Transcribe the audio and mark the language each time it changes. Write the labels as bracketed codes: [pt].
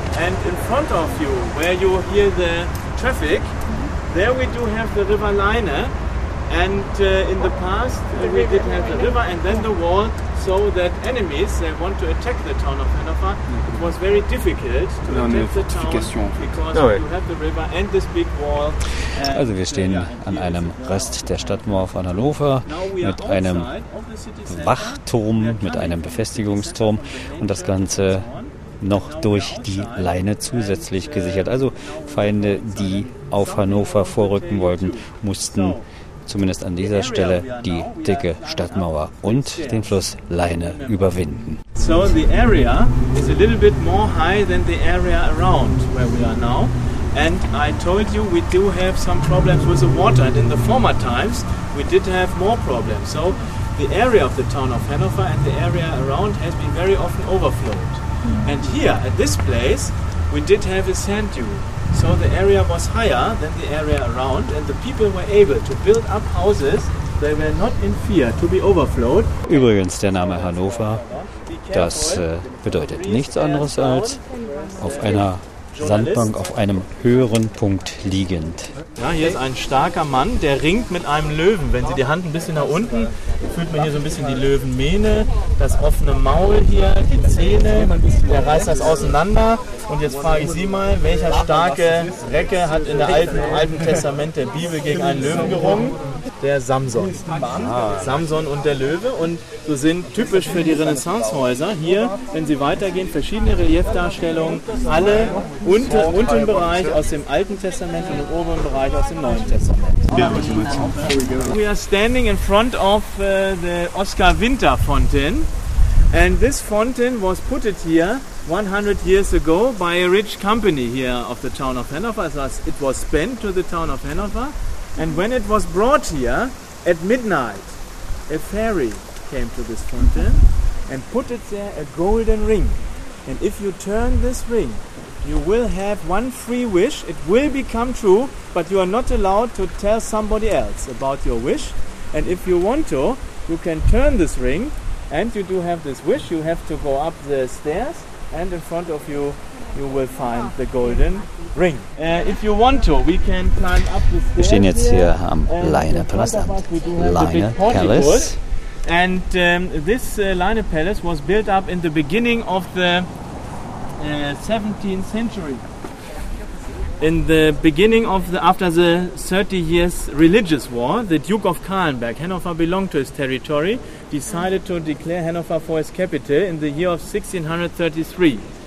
[en] And in front of you, where you hear the traffic, there we do have the River Leine. And in the past, we did have the river and then the wall, so that enemies that want to attack the town of Hanover, it was very difficult to attack the town because you have the river and this big wall. [de] Also wir stehen an einem Rest der Stadtmauer von Hannover mit einem Wachturm, mit einem Befestigungsturm und das Ganze noch durch die Leine zusätzlich gesichert. Also Feinde, die auf Hannover vorrücken wollten, mussten zumindest an dieser Stelle die dicke Stadtmauer und den Fluss Leine überwinden. [en] So the area is a little bit more high than the area around where we are now. And I told you we do have some problems with the water, and in the former times we did have more problems. So the area of the town of Hanover and the area around has been very often overflowed. And here at this place we did have a sand dune. So the area was higher than the area around and the people were able to build up houses. They were not in fear to be overflowed. [de] Übrigens, der Name Hannover, das bedeutet nichts anderes als auf einer Sandbank auf einem höheren Punkt liegend. Ja, hier ist ein starker Mann, der ringt mit einem Löwen. Wenn Sie die Hand ein bisschen nach unten, fühlt man hier so ein bisschen die Löwenmähne, das offene Maul hier, die Zähne. Der reißt das auseinander. Und jetzt frage ich Sie mal, welcher starke Recke hat in der alten Testament der Bibel gegen einen Löwen gerungen? Der Samson. Samson und der Löwe. Und so sind typisch für die Renaissancehäuser hier, wenn Sie weitergehen, verschiedene Reliefdarstellungen, alle unteren Bereich aus dem Alten Testament und im oberen Bereich aus dem Neuen Testament. [en] We are standing in front of the Oscar Winter Fountain. And this fountain was put it here 100 years ago by a rich company here of the town of Hanover. So it was spent to the town of Hanover. And when it was brought here, at midnight, a fairy came to this fountain and put it there, a golden ring. And if you turn this ring, you will have one free wish. It will become true, but you are not allowed to tell somebody else about your wish. And if you want to, you can turn this ring and you do have this wish. You have to go up the stairs and in front of you, you will find the golden ring. If you want to, we can climb up the stairs. [de] Wir stehen jetzt hier am Leiner Palast, am Leiner Palace. [en] And this Leiner Palace was built up in the beginning of the 17th century. In the beginning of the, after the 30 years religious war, the Duke of Calenberg, Hannover belonged to his territory, decided to declare Hannover for his capital in the year of 1633.